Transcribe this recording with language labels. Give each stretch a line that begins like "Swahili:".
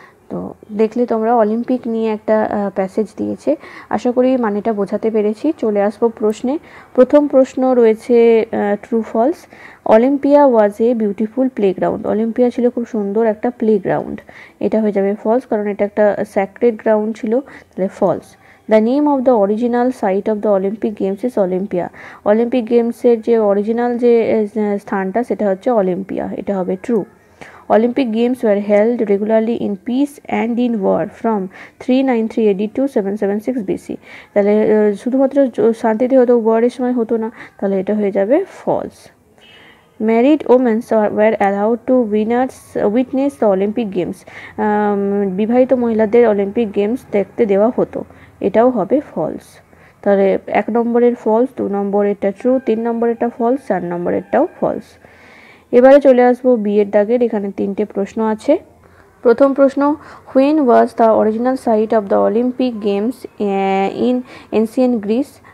Bangla: তো দেখলে তোমরা অলিম্পিক নিয়ে একটা প্যাসেজ দিয়েছে, আশা করি মানেটা বোঝাতে পেরেছি. চলে আসবো প্রশ্নে. প্রথম প্রশ্ন রয়েছে true false.
English: Olympia was a beautiful playground.
Bangla: Olympia ছিল খুব সুন্দর একটা প্লেগ্রাউন্ড. এটা হয়ে যাবে ফলস, কারণ এটা একটা স্যাক্রেড গ্রাউন্ড ছিল. তাহলে false.
English: The name of the original site of the Olympic Games is Olympia.
Bangla: Olympic গেমসের যে অরিজিনাল যে স্থানটা সেটা হচ্ছে অলিম্পিয়া. এটা হবে true.
English: Olympic Games were held regularly in peace and in war from 393 AD to 776 BC.
Bangla: তাহলে শুধুমাত্র শান্তিতে হতো, ওয়ারের সময় হতো না, তাহলে এটা হয়ে যাবে false.
English: Married women were allowed to witness the Olympic Games.
Bangla: বিবাহিত মহিলাদের অলিম্পিক গেমস দেখতে দেওয়া হতো, এটাও হবে ফলস. তাহলে এক নম্বরের ফলস, দু নম্বরেরটা ট্রু, তিন নম্বরেরটা ফলস, চার নম্বরেরটাও ফলস. এবারে চলে আসবো বিয়ের দাগের. এখানে তিনটে প্রশ্ন আছে. প্রথম প্রশ্ন,
English: When was the original site of the Olympic games in ancient Greece.